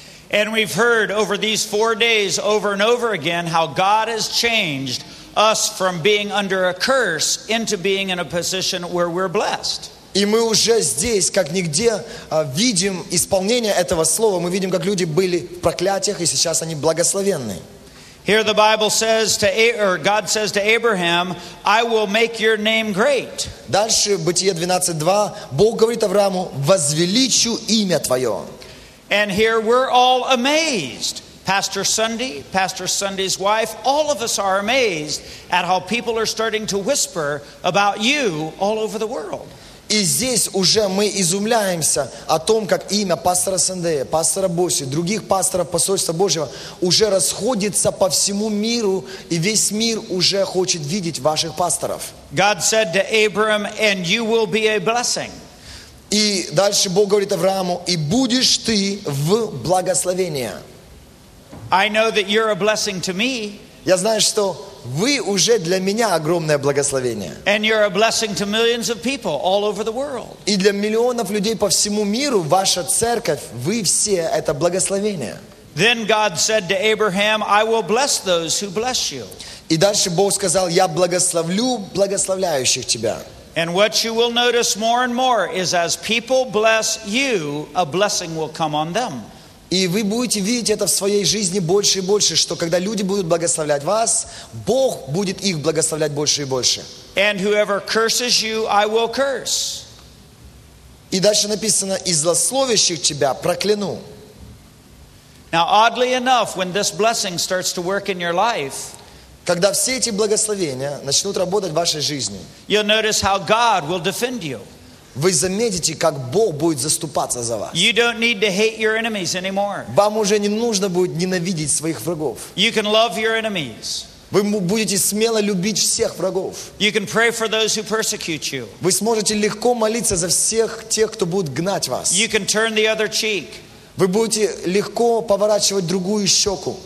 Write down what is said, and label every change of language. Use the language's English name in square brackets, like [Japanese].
[English] And we've heard over these 4 days over and over again how God has changed us from being under a curse into being in a position where we're blessed. [Russian] И мы уже здесь, как нигде, видим исполнение этого слова. Мы видим, как люди были в проклятиях, и сейчас они благословенны. [English] Here the Bible says to God says to Abraham, I will make your name great. [Russian] Дальше Бытие 12:2 Бог говорит Аврааму: возвеличу имя твое. [English] And here we're all amazed. Pastor Sunday, Pastor Sunday's wife, all of us are amazed at how people are starting to whisper about you all over the world. [Russian] И здесь уже мы изумляемся о том, как имя пастора Сандея, пастора Боси, других пасторов посольства Божьего уже расходится по всему миру, и весь мир уже хочет видеть ваших пасторов. [English] God said to Abram, and you will be a blessing. [Russian] И дальше Бог говорит Аврааму, и будешь ты в благословение. [English] I know that you're a blessing to me. [Russian] Я знаю, что вы уже для меня огромное благословение. [English] And you're a blessing to millions of people all over the world. [Russian] И для миллионов людей по всему миру ваша церковь, вы все это благословение. [English] Then God said to Abraham, I will bless those who bless you. [Russian] И дальше Бог сказал, я благословлю благословляющих тебя. [English] And what you will notice more and more is as people bless you, a blessing will come on them. [Russian] И вы будете видеть это в своей жизни больше и больше, что когда люди будут благословлять вас, Бог будет их благословлять больше и больше. [English] And whoever curses you, I will curse. [Russian] И дальше написано, и злословящих тебя прокляну. [English] Now, oddly enough, when this blessing starts to work in your life, [Russian] когда все эти благословения начнут работать в вашей жизни, [English] you'll notice how God will defend you. [Russian] Вы заметите, как Бог будет заступаться за вас. [English] You don't need to hate your enemies anymore. [Russian] Вам уже не нужно будет ненавидеть своих врагов. [English] You can love your enemies. [Russian] Вы будете смело любить всех врагов. [English] You can pray for those who persecute you. [Russian] Вы сможете легко молиться за всех тех, кто будет гнать вас. [English] You can turn the other cheek. [Russian] Вы будете легко поворачивать другую щеку.